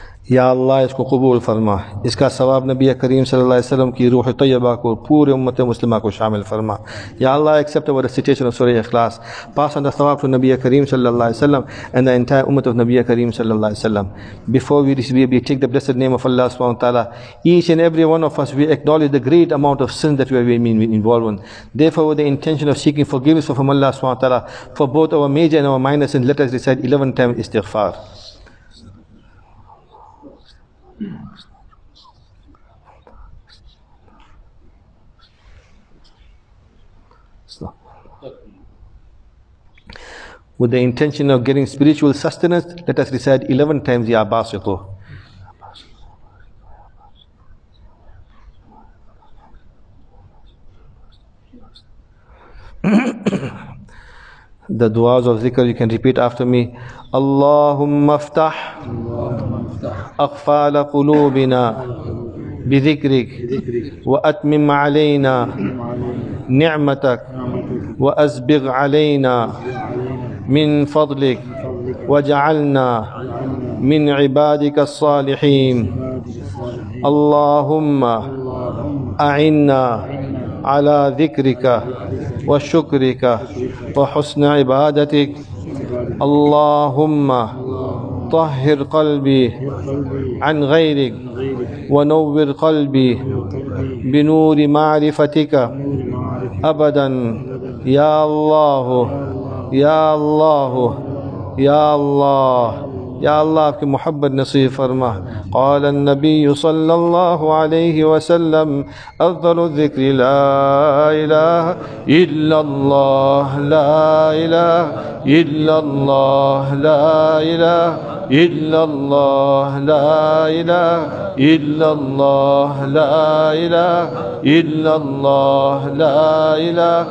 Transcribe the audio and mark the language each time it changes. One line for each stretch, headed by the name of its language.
Urdu: یا اللہ اس کو قبول فرما، اس کا ثواب نبی کریم صلی اللہ علیہ وسلم کی روح طیبہ کو پوری امت مسلمہ کو شامل فرما.
English: یا اللہ accept our recitation of Surah Ikhlas, pass on the ثواب to نبی کریم صلی اللہ علیہ وسلم and the entire امت of نبی کریم صلی اللہ علیہ وسلم. Before we take the blessed name of Allah سبحانہ وتعالی, each and every one of us, we acknowledge the great amount of sin that we have been involved in. Therefore, with the intention of seeking forgiveness from Allah سبحانہ وتعالی for both our major and our minor sins, let us recite 11 times istighfar. With the intention of getting spiritual sustenance, let us recite 11 times Ya Basito. The du'as of zikr you can repeat after me.
Arabic: Allahumma iftah aqfala qulubina bidhikrik wa atmim alayna ni'matak wa asbigh alayna من فضلك وجعلنا من عبادك الصالحين اللهم أعنا على ذكرك وشكرك وحسن عبادتك اللهم طهر قلبي عن غيرك ونور قلبي بنور معرفتك أبدا يا الله یا اللہ یا اللہ یا اللہ
Urdu: آپ کی محبت نصیب فرما.
Arabic: قال النبی صلی اللہ علیہ وسلم افضل الذکر لا الہ الا اللہ لا الہ الا اللہ لا الہ الا اللہ لا الہ الا اللہ لا الہ الا اللہ لا الہ